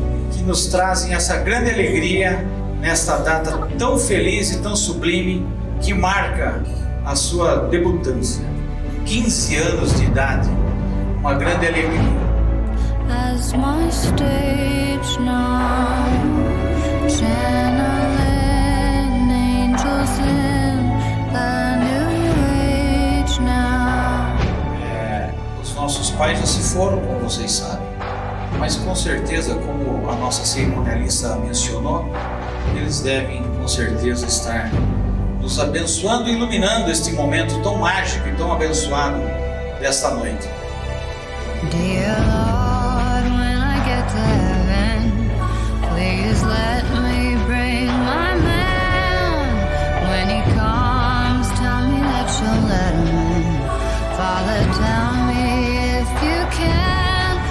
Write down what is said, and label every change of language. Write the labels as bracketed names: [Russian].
[Portuguese] Que nos trazem essa grande alegria nesta data tão feliz e tão sublime que marca a sua debutância, 15 anos de idade, uma grande alegria. [English] As my stage now, channeling angels in the new age now. [Portuguese] Os nossos pais já se foram, como vocês sabem, mas com certeza, como a nossa cerimonialista mencionou, eles devem com certeza estar nos abençoando e iluminando este momento tão mágico e tão abençoado desta noite. [English] Dear Lord, when I get to heaven, please let me bring my man. When he comes, tell me that you'll let him in. Father, tell me if you can.